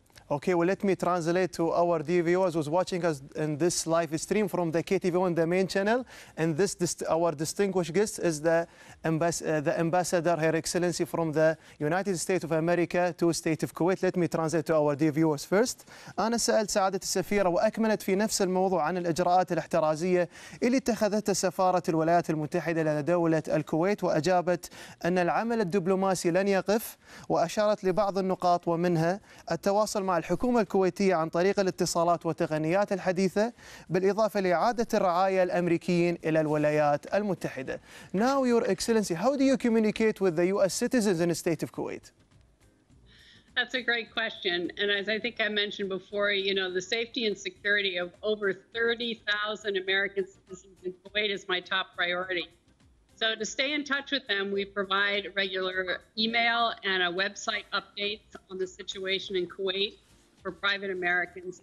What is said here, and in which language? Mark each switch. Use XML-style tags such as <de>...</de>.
<en>Okay, well, let me translate to our dear viewers who's watching us in this live stream from the KTV1, the main channel. And this, our distinguished guest is the ambassador, Her Excellency, from the United States of America to State of Kuwait. Let me translate to our dear viewers first.</en> <ar>أنا سألت سعادة السفيرة وأكملت في نفس الموضوع عن الإجراءات الاحترازية اللي اتخذتها سفارة الولايات المتحدة لدولة الكويت وأجابت أن العمل الدبلوماسي لن يقف وأشارت لبعض النقاط ومنها التواصل مع الحكومة الكويتية عن طريق الاتصالات والتقنيات الحديثة بالإضافة لإعادة الرعاية الأمريكيين إلى الولايات المتحدة.</ar> <en>Now your excellency, how do you communicate with the US citizens in the state of Kuwait? That's a great question. And as I think I mentioned before, you know, the safety and security of over 30,000 American citizens in Kuwait is my top priority. So to stay in touch with them, we provide regular email and a website updates on the situation in Kuwait for private Americans.</en>